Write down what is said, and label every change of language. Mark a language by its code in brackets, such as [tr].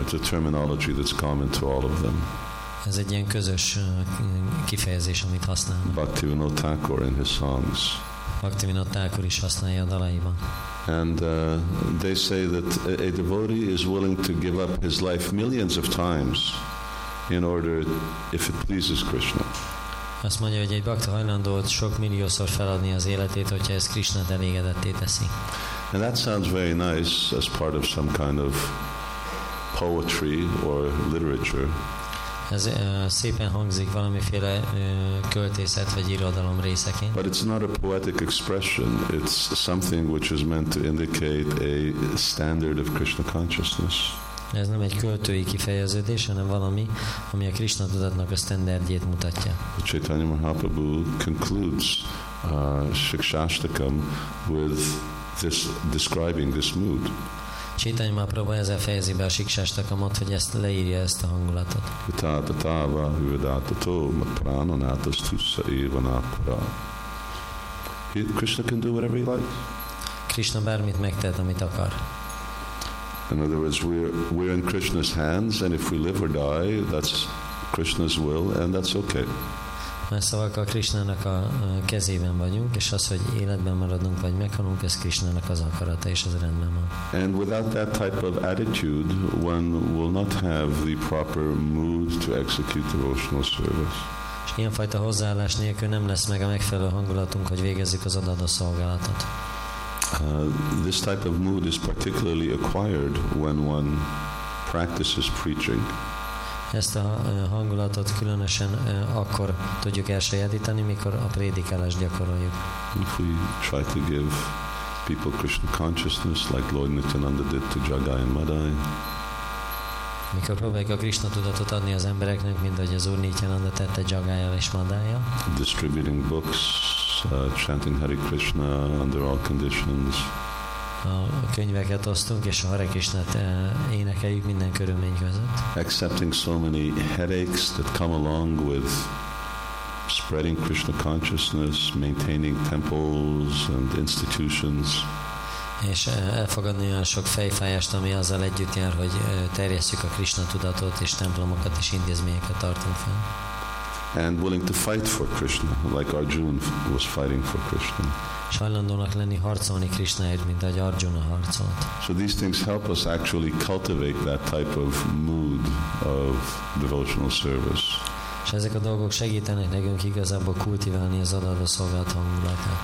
[en] It's a terminology that's common to all of them. [hu] Ez egy ilyen közös kifejezés, amit használnak. [en] Bhaktivinoda Thakur in his songs. [hu] Bhaktivinoda Thakur is használja a dalaiban. [en] And they say that a devotee is willing to give up his life millions of times in order, if it pleases Krishna. [hu] Azt mondja, hogy egy bhakta hajlandót sok milliószor feladni az életét, hogyha ez Krishna elégedetté teszi. [en] And that sounds very nice as part of some kind of poetry or literature. [hu] Ez szépen hangzik valamiféle költészet vagy irodalom részeként. [en] But it's not a poetic expression. It's something which is meant to indicate a standard of Krishna consciousness. [hu] Ez nem egy költői kifejeződés, hanem valami, ami a Krishna tudatnak a standardjét mutatja. [en] Chaitanya Mahaprabhu concludes Shikshashtakam with this, describing this mood. [hu] Chaitanya Mahaprabhu ezzel fejezi be a Shikshashtakamot, hogy ezt leírja ezt a hangulatot. [sa] Vitatatava vivadatato matpranonatas tussa evanapra. [en] Krishna can do whatever he likes. [hu] Krishna bármit megtehet, amit akar. [en] In other words, we're in Krishna's hands, and if we live or die, that's Krishna's will, and that's okay. [hu] Más szavakkal, Krishnának a kezében vagyunk, és az, hogy életben maradunk vagy meghalunk, ez Krishnának az akarata, és az rendben van. [en] And without that type of attitude, one will not have the proper mood to execute devotional service. [hu] És ilyenfajta hozzáállás nélkül nem lesz meg a megfelelő hangulatunk, hogy végezzük az adott szolgálatot. [en] This type of mood is particularly acquired when one practices preaching. [hu] ezt a hangulatot különösen akkor tudjuk elsajátítani, mikor a prédikálást gyakoroljuk. [en] If we try to give people Krishna consciousness like Lord Nityananda did to Jagai and Madai. [hu] Mikor próbáljuk a Krishna tudatot adni az embereknek, mint ahogy az Úr Nityananda tette Jagai-jal és Madai-jal. [en] Distributing books, chanting Hare Krishna under all conditions. [hu] A könyveket osztunk, és a Hare Krishnát énekeljük minden körülmény között. [en] Accepting so many headaches that come along with spreading Krishna consciousness, maintaining temples and institutions. [hu] És elfogadni olyan sok fejfájást, ami azzal együtt jár, hogy terjesszük a Krishna tudatot, és templomokat és intézményeket tartunk fel. [en] And willing to fight for Krishna, like Arjuna was fighting for Krishna. [hu] És hajlandónak lenni harcolni Krishnaért, mint ahogy Arjuna harcolt. [en] So these things help us actually cultivate that type of mood of devotional service. [hu] És ezek a dolgok segítenek nekünk igazából kultiválni az adatba szolgált hangulatát.